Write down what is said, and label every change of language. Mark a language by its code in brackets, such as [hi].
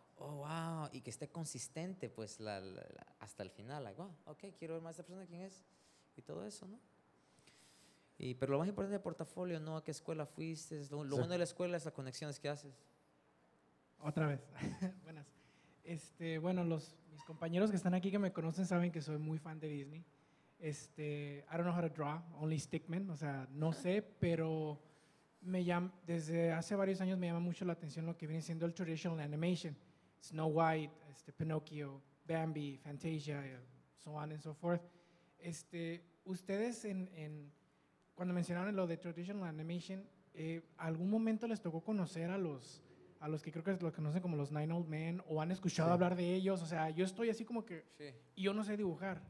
[es] Oh, wow, y que esté consistente, pues, la hasta el final, like, wow, okay, quiero ver más a esta persona, quién es, y todo eso, ¿no? Pero lo más importante del portafolio, ¿no? ¿A qué escuela fuiste? Lo bueno de la escuela es las conexiones que haces. Otra vez, buenas. Mis compañeros que están aquí que me conocen saben que soy muy fan de Disney. [en] I don't know how to draw, only stickmen, [es] o sea, no sé, pero... desde hace varios años me llama mucho la atención lo que viene siendo el [en] traditional animation. Snow White, Pinocchio, Bambi, Fantasia, so on and so forth. [es] Ustedes, cuando mencionaron lo de [en] traditional animation, [es] ¿algún momento les tocó conocer a los que creo que lo conocen como los Nine Old Men, o han escuchado hablar de ellos? O sea, yo estoy así como que, y yo no sé dibujar.